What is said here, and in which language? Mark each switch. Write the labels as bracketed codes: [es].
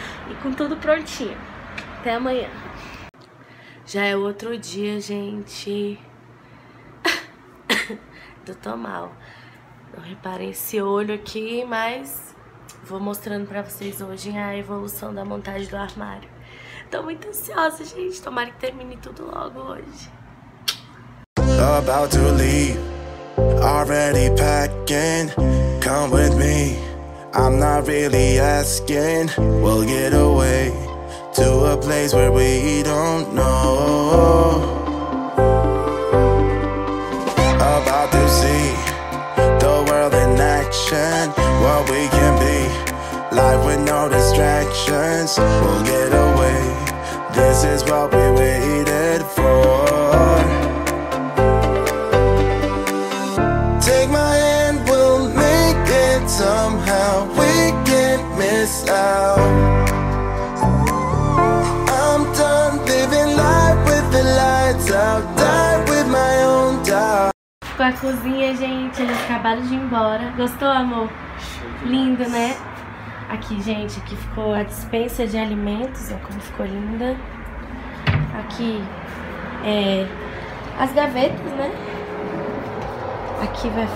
[pt] E com tudo prontinho. Até amanhã. Já é outro dia, gente. Tô mal. Eu reparei esse olho aqui, mas vou mostrando pra vocês hoje a evolução da montagem do armário. Tô muito ansiosa, gente. Tomara que termine tudo logo hoje. [en] About to leave, already packing. Come with me, I'm not really asking. We'll get away, to a place where we don't know. About to see the world in action. What we can be, life with no distractions. We'll get away, this is what we waited for. Take my hand, we'll make it somehow. We can't miss out. I'm done living life with the lights out. Die with my own doubt. [pt] Com a cozinha, gente, eles acabaram de ir embora. Gostou, amor? Lindo, né? Aqui, gente, aqui ficou a dispensa de alimentos. Olha como ficou linda. Aqui, é, as gavetas, né? Aqui vai ficar.